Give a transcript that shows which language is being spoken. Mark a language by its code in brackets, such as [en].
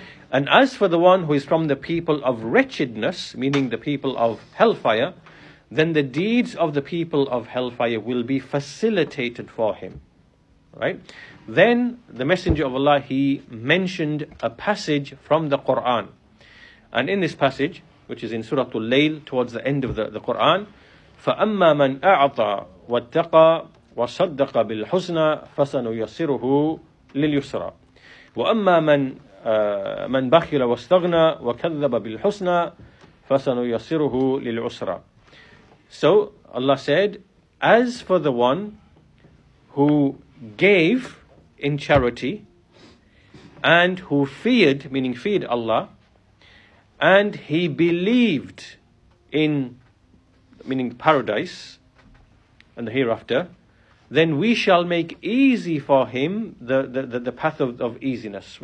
[en] And as for the one who is from the people of wretchedness, meaning the people of hellfire, then the deeds of the people of hellfire will be facilitated for him. Right? Then the Messenger of Allah, he mentioned a passage from the Quran. And in this passage, which is in Surah Al-Layl, towards the end of the Quran, [ar] فَأَمَّا مَنْ أَعْطَى وَاتَّقَى وَصَدَّقَ بِالْحُسْنَى فَسَنُيَسِّرُهُ لِلْيُسْرَى وَأَمَّا مَنْ بَخِلَ وَاسْتَغْنَى وَكَذَّبَ بِالْحُسْنَى فَسَنُيَسِّرُهُ لِلْعُسْرَى. [en] So Allah said, as for the one who gave in charity and who feared, meaning feared Allah, and he believed in, meaning paradise and the hereafter, then we shall make easy for him the path of easiness.